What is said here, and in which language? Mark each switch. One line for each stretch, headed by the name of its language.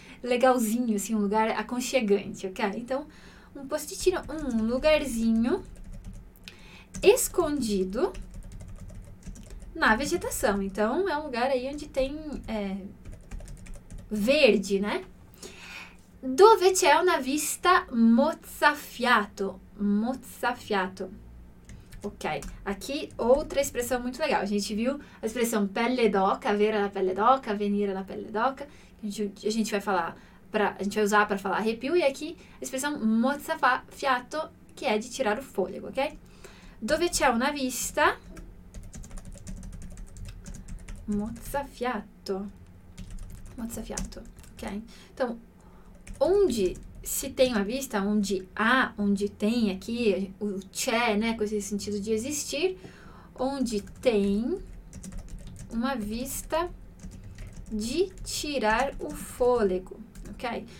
Portuguese: legalzinho, assim, um lugar aconchegante, ok? Então, um post-itinho, um lugarzinho escondido na vegetação. Então, é um lugar aí onde tem verde, né?
Italian: Dove c'è una vista mozzafiato. Mozzafiato.
Portuguese: Ok, aqui outra expressão muito legal. A gente viu a expressão pelle d'oca,
Italian: vera la pelle d'oca, venire la pelle d'oca.
Portuguese: A gente vai usar para falar arrepio. E aqui a expressão mozzafiato, que é de tirar o fôlego, ok?
Italian: Dove c'è una vista mozzafiato. Mozzafiato, ok?
Portuguese: Então, onde se tem uma vista, onde há, onde tem aqui, o c'è, né, com esse sentido de existir, onde tem uma vista de tirar o fôlego, ok?